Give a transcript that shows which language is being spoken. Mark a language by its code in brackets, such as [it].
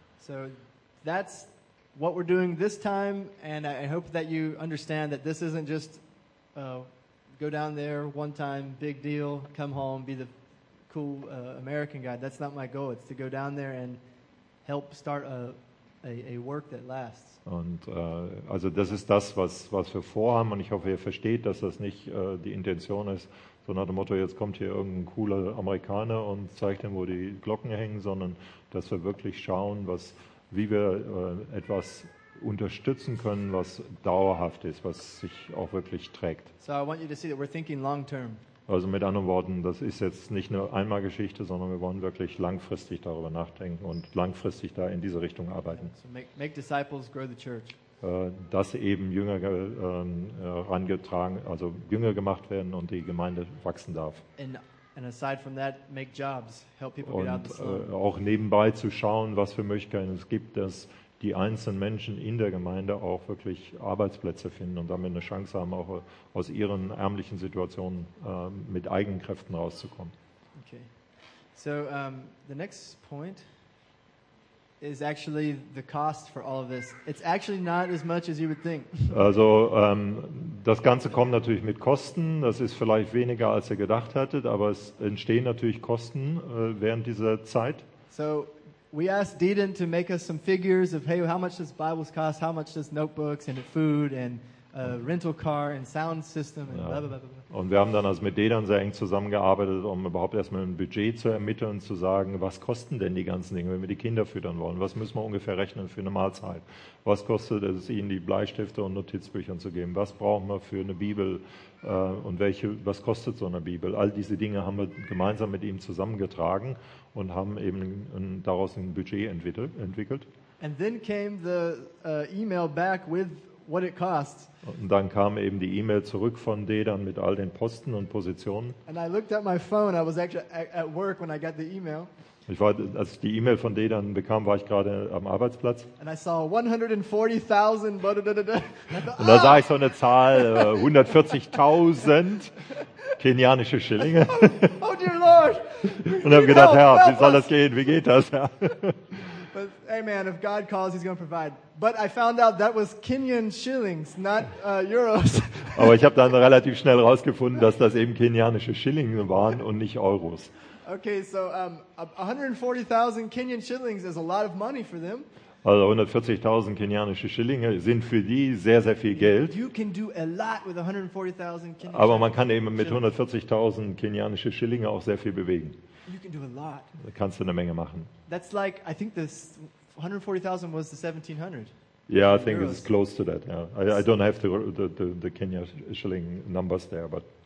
[en] So that's what we're doing this time, and I hope that you understand that this isn't just go down there one time, big deal, come home, be the cool American guy. That's not my goal. It's to go down there and help start a work that lasts. [de] Und also das ist das, was wir vorhaben, und ich hoffe, ihr versteht, dass das nicht die Intention ist, so nach dem Motto, jetzt kommt hier irgendein cooler Amerikaner und zeigt ihm, wo die Glocken hängen, sondern dass wir wirklich schauen, wie wir etwas unterstützen können, was dauerhaft ist, was sich auch wirklich trägt. [en] So I want you to see that we're thinking long term. [de] Also mit anderen Worten, das ist jetzt nicht nur einmal Geschichte, sondern wir wollen wirklich langfristig darüber nachdenken und langfristig da in diese Richtung arbeiten. [en] So make disciples grow the church. [de] Dass eben Jünger herangetragen, also Jünger gemacht werden und die Gemeinde wachsen darf. [en] And aside from that, make jobs, help people [de] und [en] get out the slum. [de] Auch nebenbei zu schauen, was für Möglichkeiten es gibt, dass die einzelnen Menschen in der Gemeinde auch wirklich Arbeitsplätze finden und damit eine Chance haben, auch aus ihren ärmlichen Situationen mit eigenen Kräften rauszukommen. Okay. [en] So, the next point is actually the cost for all of this. It's actually not as much as you would think. [de] Also das Ganze kommt natürlich mit Kosten. Das ist vielleicht weniger, als ihr gedacht hattet, aber es entstehen natürlich Kosten während dieser Zeit. [en] So we asked Deedon to make us some figures of, hey, how much does Bibles cost? How much does notebooks and food and a rental car and sound system and blah, blah, blah, blah. [de] Und wir haben dann also mit denen sehr eng zusammengearbeitet, um überhaupt erstmal ein Budget zu ermitteln und zu sagen, was kosten denn die ganzen Dinge, wenn wir die Kinder füttern wollen? Was müssen wir ungefähr rechnen für eine Mahlzeit? Was kostet es ihnen, die Bleistifte und Notizbücher zu geben? Was brauchen wir für eine Bibel? Und was kostet so eine Bibel? All diese Dinge haben wir gemeinsam mit ihm zusammengetragen und haben eben daraus ein Budget entwickelt. [en] And then came the email back with what it costs. [de] Und dann kam eben die E-Mail zurück von Dedan mit all den Posten und Positionen. [en] And I looked at my phone. I was actually at work when I got the email. [de] Ich war, als ich die E-Mail von Dedan bekam, war ich gerade am Arbeitsplatz. [en] And I saw 140,000. [de] Und da sah ich so eine Zahl, 140,000 kenianische Schillinge. [en] Oh dear Lord. [de] Und habe gedacht, Herr, wie soll das gehen? Wie geht das? [en] But hey man, if God calls, he's going to provide. But I found out that was Kenyan shillings, not euros. [de] Aber ich habe dann relativ schnell rausgefunden, dass das eben kenianische Schillinge waren und nicht Euros. [en] Okay, so 140,000 Kenyan shillings is a lot of money for them. [de] Also 140,000 kenianische Schillinge sind für die sehr, sehr viel Geld. [en] You can do a lot with 140,000 Kenyan. [de] Aber man kann eben mit 140,000 kenianische Schillinge auch sehr viel bewegen. [en] You can do a lot. [de] Da kannst du eine Menge machen. [en] That's like, I think this 140,000 was the 1700. Yeah, I think it's close to that. Yeah, I don't have the Kenya shilling numbers there, but